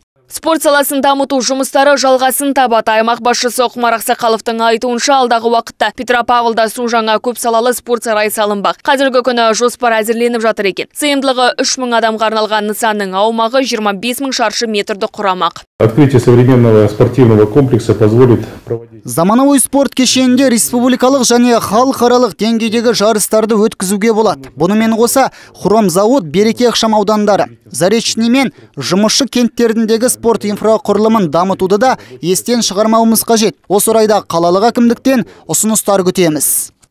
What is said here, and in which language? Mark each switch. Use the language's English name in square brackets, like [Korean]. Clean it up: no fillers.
[Kazakh] Спорт саласын дамыту жұмыстары жалғасын табады. Аймақ басшысы Құмар Ақсақаловтың айтуынша, алдағы уақытта Петропавлда су жаңа көп салалы спорт сарайы салынбақ. Қазіргі күні жоспар әзірленіп жатыр екен. Сыйымдылығы 3000 адамға арналған нысанның аумағы 25 000 шаршы метрді құрамақ. [Russian] Открытие современного спортивного комплекса позволит проводить. [Kazakh] Заманауи спорт кешенінде республикалық және халықаралық деңгейдегі жарыстарды өткізуге болады. Бұнымен қоса Хромзауыт, Береке ықшамаудандары, Заречный мен Жұмысшы кенттеріндегі спорт инфрақұрылымын дамытуды да естен шығармауымыз қажет. Осы орайда қалалық әкімдіктен ұсыныстар күтеміз.